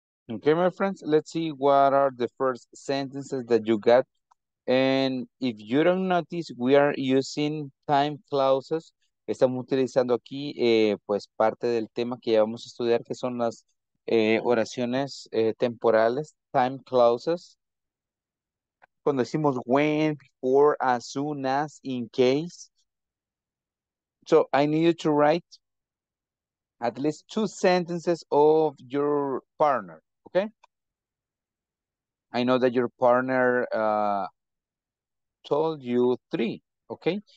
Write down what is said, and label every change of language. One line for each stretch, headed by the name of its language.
English: Okay, my friends, let's see what are the first sentences that you got. And if you don't notice, we are using time clauses.
Spanish: Estamos utilizando aquí, pues, parte del tema que ya vamos a estudiar, que son las oraciones temporales, time clauses. Cuando decimos when, before, as soon as, in case.
English: So I need you to write at least two sentences of your partner, okay? I know that your partner told you three, okay?